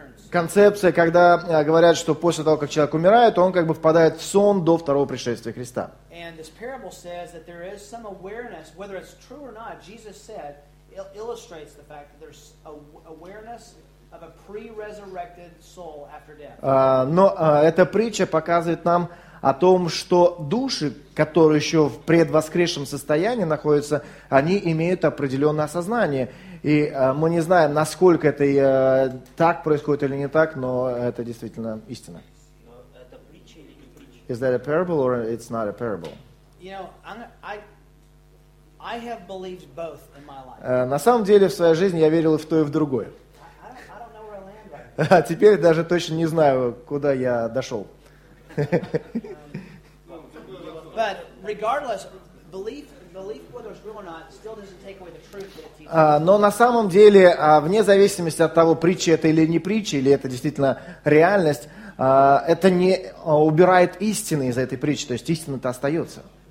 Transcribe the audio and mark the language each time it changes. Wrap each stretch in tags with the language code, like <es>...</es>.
<ru>Концепция, когда говорят, что после того, как человек умирает, он как бы впадает в сон до второго пришествия Христа.</ru> <en>And this parable says that there is some awareness, whether it's true or not, Jesus said, illustrates the fact that there's awareness of a pre-resurrected soul after death.</en> <ru>Эта притча показывает нам о том, что души, которые еще в предвоскресшем состоянии находятся, они имеют определенное осознание. И мы не знаем, насколько это так происходит или не так, но это действительно истина.</ru> <en>Is that a parable or it's not a parable? You know, I have believed both in my life.</en> <ru>На самом деле, в своей жизни я верил и в то, и в другое.</ru> <en>I don't know where I land right.</en> <ru>А теперь даже точно не знаю, куда я дошел.</ru> <en>But regardless, belief whether it's real or not, still doesn't take away the truth that it teaches.</en> <ru>Но на самом деле, вне зависимости от того, притча это или не притча, или это действительно реальность, это не убирает истины из этой притчи, то есть истина-то остается.</ru>